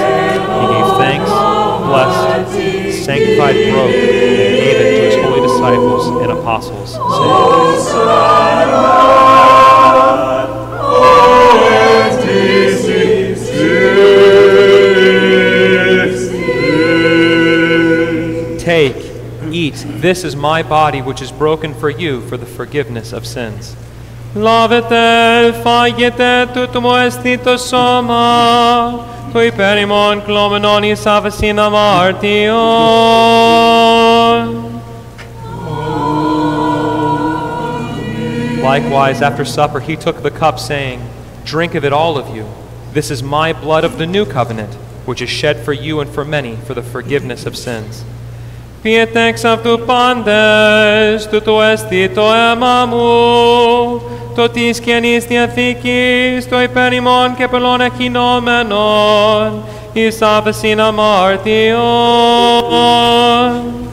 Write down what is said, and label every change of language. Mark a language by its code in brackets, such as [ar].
[en] He gave thanks, blessed, sanctified, broke, and gave it to his holy disciples and apostles, saying, take, eat, this is my body which is broken for you for the forgiveness of sins. [el] Λάβετε, φάγετε, τούτο μου εστί το σώμα, του υπέρ ημών κλώμενον εις άφεσιν αμαρτιών. [en] Likewise, after supper, he took the cup, saying, drink of it, all of you. This is my blood of the new covenant, which is shed for you and for many for the forgiveness of sins. [el] Πιέτε εξ αυτού πάντες, τούτο εστί το αίμα μου, το της καινής διαθήκης, το υπέρ ημών και πελών εκκινόμενων, εις άφεσιν αμαρτιών.